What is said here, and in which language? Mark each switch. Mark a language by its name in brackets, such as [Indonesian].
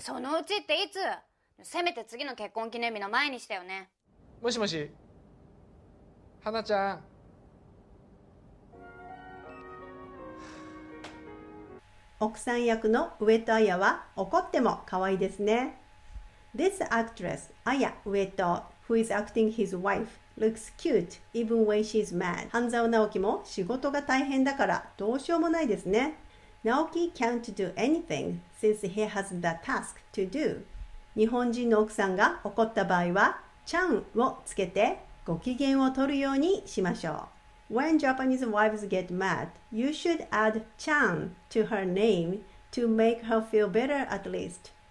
[Japanese] そのうちっていつ？せめて次の結婚記念日の前にしてよね。もしもし、花ちゃん。奥さん役の上戸彩は怒っても可愛いですね。 [English] This actress, Aya Ueto, who is acting his wife, looks cute even when she's mad. [Japanese] 半沢直樹も仕事が大変だからどうしようもないですね。 [English] Naoki can't do anything since he has the task to do. [Japanese] 日本人の奥さんが怒った場合はちゃんをつけてご機嫌を取るようにしましょう。 [English] When Japanese wives get mad, you should add chan to her name to make her feel better at least.